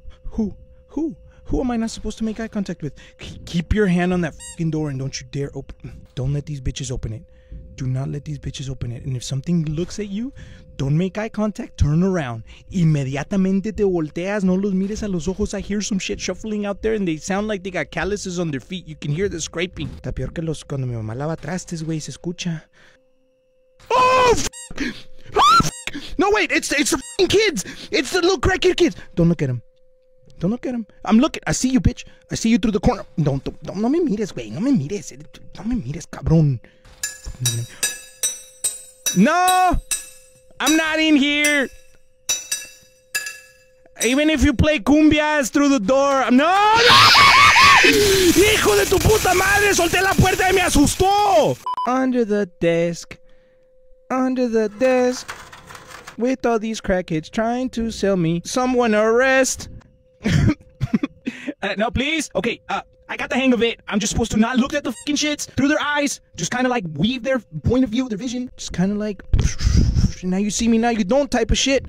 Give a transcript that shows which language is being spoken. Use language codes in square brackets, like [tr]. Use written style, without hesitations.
[en] Who am I not supposed to make eye contact with? Keep your hand on that f***ing door and don't you dare open... Don't let these bitches open it. Do not let these bitches open it. And if something looks at you, don't make eye contact. Turn around. [es] Inmediatamente te volteas. No los mires a los ojos. [en] I hear some shit shuffling out there and they sound like they got calluses on their feet. You can hear the scraping. [es] Está peor que los cuando mi mamá lava trastes, [en] güey. [es] Se escucha. [en] Oh, f***! Oh, f***! No, wait. It's the f***ing kids. It's the little crackhead kids. Don't look at them. Don't look at him. I'm looking. I see you, bitch. I see you through the corner. [es] No me mires, güey. No me mires. No me mires, cabrón. [en] No! I'm not in here. Even if you play cumbias through the door, I'm... No! No! [es] Hijo de tu puta madre, solté la puerta y me asustó. [en] Under the desk. Under the desk. With all these crackheads trying to sell me. Someone arrest. No, please. Okay, I got the hang of it. I'm just supposed to not look at the fucking shits through their eyes. Just kind of like weave their point of view, their vision. Just kind of like, now you see me, now you don't type of shit.